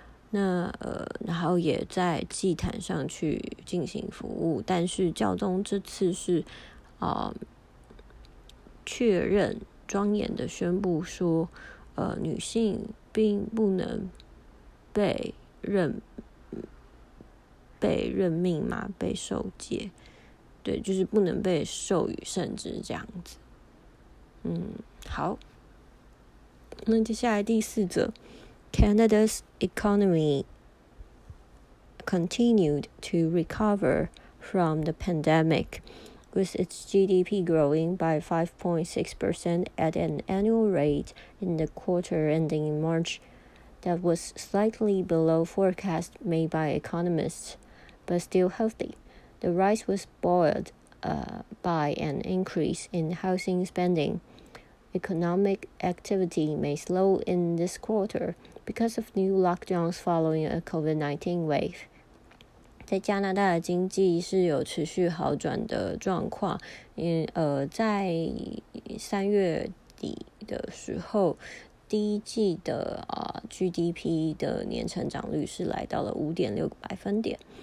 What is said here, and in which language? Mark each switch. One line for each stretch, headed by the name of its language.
Chinese: 那然后也在祭坛上去进行服务，但是教宗这次是确认庄严的宣布说，女性并不能被任命嘛，被受戒，对，就是不能被授予圣职这样子。好，那接下来第四则
English: ，Canada's economy continued to recover from the pandemic, with its GDP growing by 5.6% at an annual rate in the quarter ending in March, that was slightly below forecast made by economists. But still healthy. The rise was buoyed by an increase in housing spending. Economic activity may slow in this quarter because of new lockdowns following a COVID-19 wave.
Chinese: 在加拿大的经济是有持续好转的状况，在三月底的时候，第一季的GDP 的年成长率是来到了5.6%。